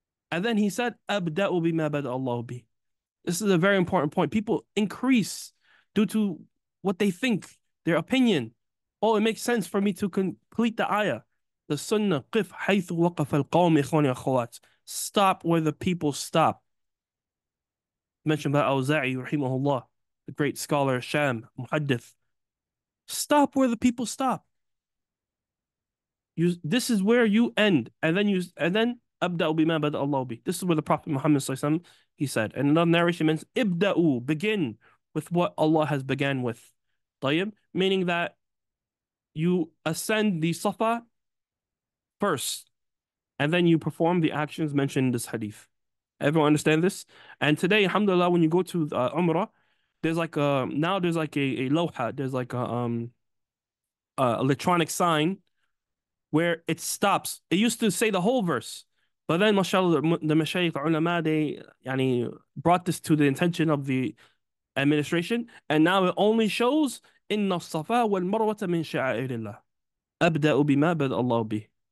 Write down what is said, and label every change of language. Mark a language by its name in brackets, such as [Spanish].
[English] And then he said, [Arabic] أَبْدَأُ بِمَا بَدَأَ اللَّهُ بِهِ. [English] This is a very important point. People increase due to what they think, their opinion. Oh, it makes sense for me to complete the ayah. The sunnah, [Arabic] قِفْ حَيْثُ وَقَفَ الْقَوْمِ إِخْوَانِ أَخْوَاتِ. [English] Stop where the people stop. Mentioned by Awzaa'ee, rahimahullah, the great scholar, Sham, Muhaddith. Stop where the people stop. You, this is where you end. And then [Arabic] أبدأ بما بدأ الله به. [English] This is where the Prophet Muhammad SAW, he said. And another narration means, إبدأوا, begin with what Allah has began with. [Arabic] طيب, [English] meaning that you ascend the Safa first, and then you perform the actions mentioned in this hadith. Everyone understand this? And today, alhamdulillah, when you go to Umrah, there's like a, now there's like a lawha, there's like a electronic sign where it stops. It used to say the whole verse. But then, mashallah, the mashayikh, the ulama, they yani, brought this to the intention of the administration. And now it only shows, [Arabic] إِنَّ الصَّفَا وَالْمَرْوَةَ مِنْ شَعَائِرِ اللَّهِ أَبْدَأُ بِمَا بَدَأَ اللَّهُ بِهِ.